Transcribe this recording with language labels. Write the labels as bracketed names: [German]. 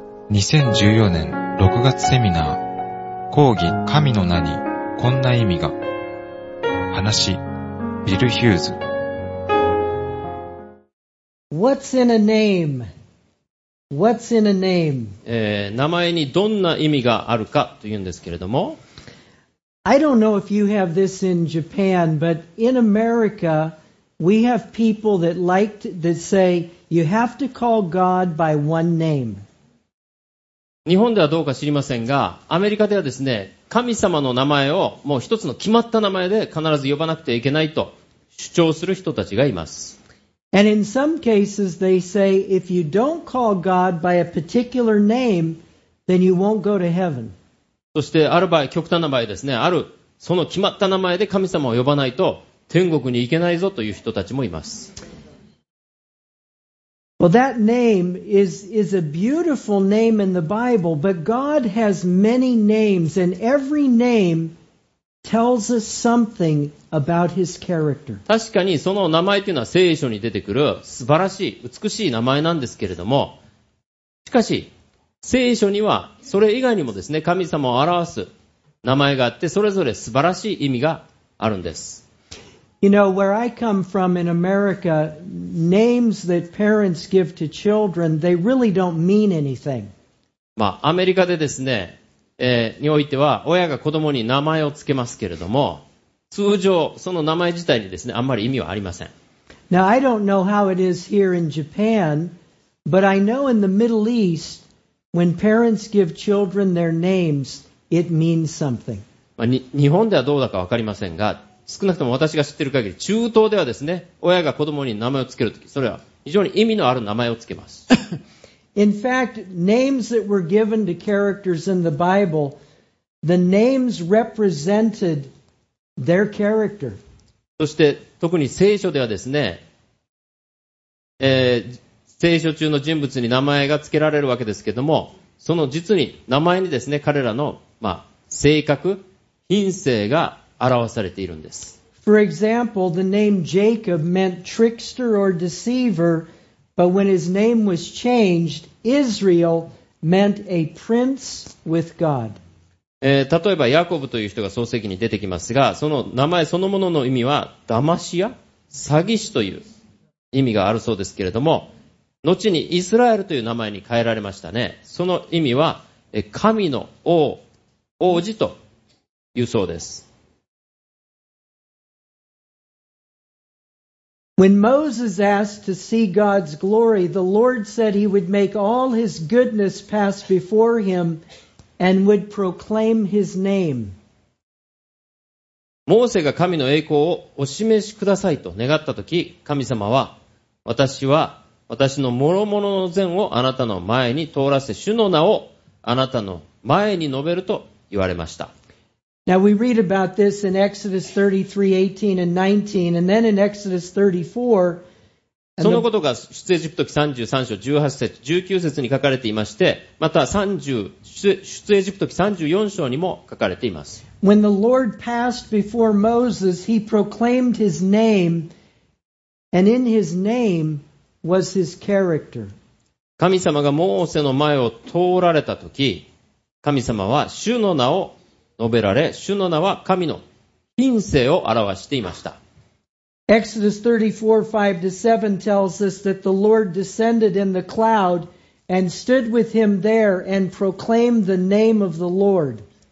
[Japanese] 2014年6月セミナー、講義神の名にこんな意味が。話、ビル・ヒューズ。 [English] What's in a name? What's in a name? [Japanese] 名前にどんな意味があるかというんですけれども、 [English] I don't know if you have this in Japan, but in America, we have people that like to, that say, you have to call God by one name. [Japanese] 日本ではどうか知りませんが、アメリカではですね、神様の名前をもう一つの決まった名前で必ず呼ばなくてはいけないと主張する人たちがいます。 [English] And in some cases, they say, if you don't call God by a particular name, then you won't go to heaven. [Japanese] そしてある場合、極端な場合ですね、あるその決まった名前で神様を呼ばないと天国に行けないぞという人たちもいます。 [English] Well, that name is a beautiful name in the Bible, but God has many names, and every name tells us something about his character. [Japanese] 確かにその名前というのは聖書に出てくる素晴らしい美しい名前なんですけれども、しかし聖書にはそれ以外にもですね、神様を表す名前があって、それぞれ素晴らしい意味があるんです。 [English] You know, where I come from in America, names that parents give to children, they really don't mean anything. [Japanese] まあ、アメリカでですね、においては親が子供に名前をつけますけれども、通常その名前自体にですね、あんまり意味はありません。 [English] Now, I don't know how it is here in Japan, but I know in the Middle EastWhen parents give children their names, it means something. [Japanese] 日本ではどうだか分かりませんが、少なくとも私が知っている限り、中東ではですね、親が子供に名前をつけるとき、それは非常に意味のある名前をつけます。 [English] In fact, names that were given to characters in the Bible, the names represented their character. [Japanese] そして、特に聖書ではですね、聖書中の人物に名前が付けられるわけですけれども、その実に名前にですね、彼らの、まあ、性格、品性が表されているんです。 [English] For example, the name Jacob meant trickster or deceiver, but when his name was changed, Israel meant a prince with God. [Japanese] 例えばヤコブという人が創世記に出てきますが、その名前そのものの意味は、騙し屋、詐欺師という意味があるそうですけれども、後にイスラエルという名前に変えられましたね。その意味は神の王、王子というそうです。 [English] When Moses asked to see God's glory, the Lord said he would make all his goodness pass before him and would proclaim his name. [Japanese] モーセが神の栄光をお示しくださいと願ったとき、神様は、私は私の諸々の善をあなたの前に通らせ、主の名をあなたの前に述べると言われました。 [English] Now we read about this in Exodus 33:18 and 19, and then in Exodus 34. [Japanese] そのことが出エジプト記33章18節19節に書かれていまして、また出エジプト記34章にも書かれています。 [English] When the Lord passed before Moses, he proclaimed his name, and in his name. Was his character. [Japanese] 神様がモーセの前を通られたとき、神様は主の名を述べられ、主の名は神の品性を表していました。 [English] Exodus 34:5-7 tells us that the Lord descended in the cloud and stood with him there and proclaimed the name of the Lord.